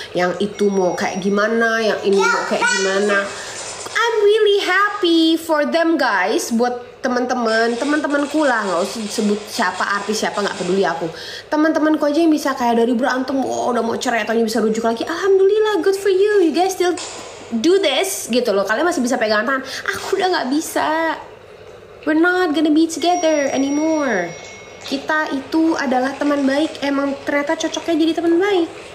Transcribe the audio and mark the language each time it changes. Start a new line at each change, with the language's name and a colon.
Indonesian: Yang itu mau kayak gimana, yang ini mau kayak gimana.
English: I'm really happy for them guys.
Indonesian: Buat teman-temanku lah, gak usah sebut siapa artis siapa, gak peduli aku. Teman-temanku aja yang bisa kayak dari berantem, oh, udah mau cerai atau bisa rujuk lagi.
English: Alhamdulillah, good for you. You guys still do this
Indonesian: gitu loh. Kalian masih bisa pegangan tangan. Aku udah gak bisa.
English: We're not gonna be together anymore.
Indonesian: Kita itu adalah teman baik. Emang ternyata cocoknya jadi teman baik.